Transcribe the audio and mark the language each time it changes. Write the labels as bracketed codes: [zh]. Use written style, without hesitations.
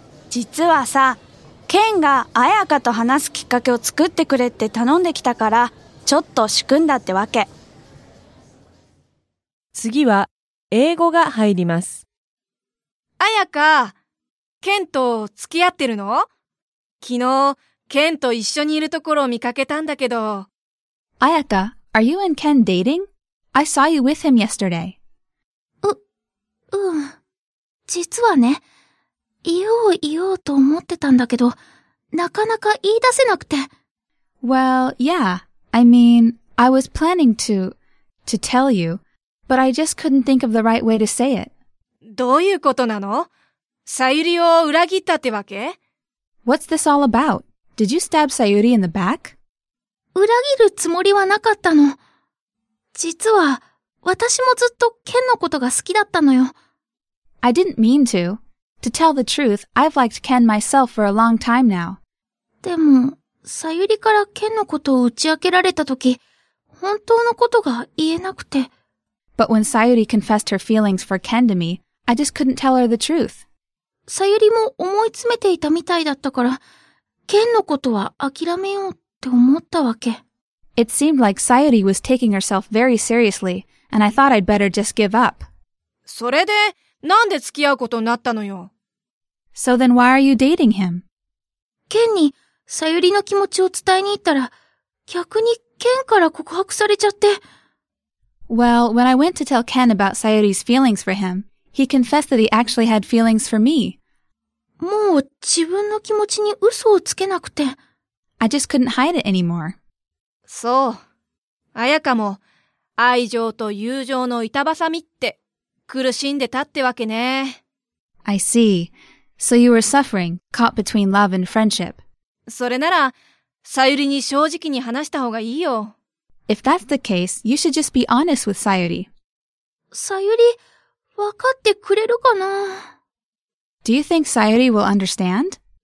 [ja] 実はさ、ケンが彩香と話すきっかけを作ってくれって頼んできたから、ちょっと仕組んだってわけ。次は英語が入ります。彩香、ケンと付き合ってるの？昨日Ken と一緒にいるところを見かけたんだけど。 [en] Ayaka, are you and Ken dating? I saw you with him yesterday. [ja] うん。実はね、言おうと思ってたんだけど、なかなか言い出せなくて。 [en] Well, yeah. I mean, I was planning to tell you, but I just couldn't think of the right way to say it. [ja] どういうことなの？さゆりを裏切ったってわけ？ [en] What's this all about? Did you stab Sayuri in the back? [ja] 裏切るつもりはなかったの。実は、私もずっとケンのことが好きだったのよ。 [en] I didn't mean to, To tell the truth, I've liked Ken myself for a long time now. [ja] でも、さゆりからケンのことを打ち明けられたとき、本当のことが言えなくて。 [en] But when Sayuri confessed her feelings for Ken to me, I just couldn't tell her the truth. [ja] さゆりも思い詰めていたみたいだったから、ケンのことは諦めようって思ったわけ。 [en] It seemed like Sayuri was taking herself very seriously, and I thought I'd better just give up. [ja] それで、なんで付き合うことになったのよ。 [en] So then why are you dating him? [ja] ケンに、さゆりの気持ちを伝えに行ったら、逆にケンから告白されちゃって。 [en] Well, when I went to tell Ken about Sayuri's feelings for him, he confessed that he actually had feelings for me. [ja] もう自分の気持ちに嘘をつけなくて。 [en] I just couldn't hide it anymore. [ja] そう。あやかも、愛情と友情の板挟みって、苦しんでたってわけね。 [en] I see. So you were suffering, caught between love and friendship. [ja] それなら、さゆりに正直に話した方がいいよ。 [en] If that's the case, you should just be honest with Sayuri. [ja] さゆり、わかってくれるかな? [en] Do you think Sayuri will understand?